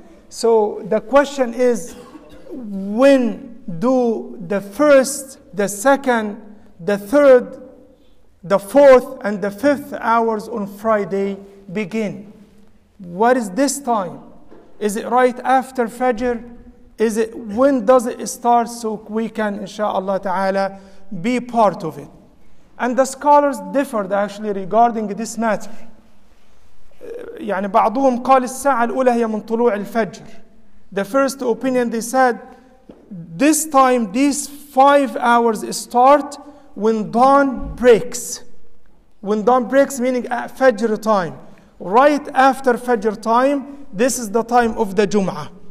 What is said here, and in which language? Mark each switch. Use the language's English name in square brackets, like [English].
[English] So the question is, when do the first, the second, the third, the fourth, and the fifth hours on Friday begin? What is this time? Is it right after Fajr? Is it, when does it start, so we can, inshallah ta'ala, be part of it? And the scholars differed actually regarding this matter. [Arabic] يعني بعضهم قال الساعة الأولى هي من طلوع الفجر. [English] The first opinion, they said, this time, these 5 hours start when dawn breaks. When dawn breaks, meaning at Fajr time. Right after Fajr time, this is the time of the Jum'ah.